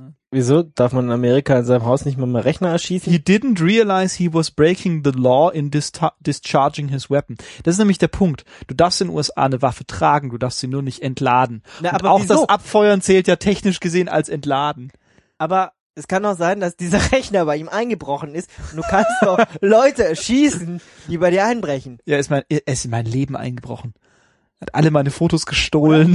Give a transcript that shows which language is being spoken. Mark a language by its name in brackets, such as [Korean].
[German] Wieso darf man in Amerika in seinem Haus nicht mal mehr Rechner erschießen? [English] He didn't realize he was breaking the law in discharging his weapon. [German] Das ist nämlich der Punkt. Du darfst in den USA eine Waffe tragen, du darfst sie nur nicht entladen. Na, aber auch wieso? Das Abfeuern zählt ja technisch gesehen als Entladen. Aber es kann auch sein, dass dieser Rechner bei ihm eingebrochen ist und du kannst doch Leute erschießen, die bei dir einbrechen. Ja, ist mein Leben eingebrochen. Hat alle meine Fotos gestohlen.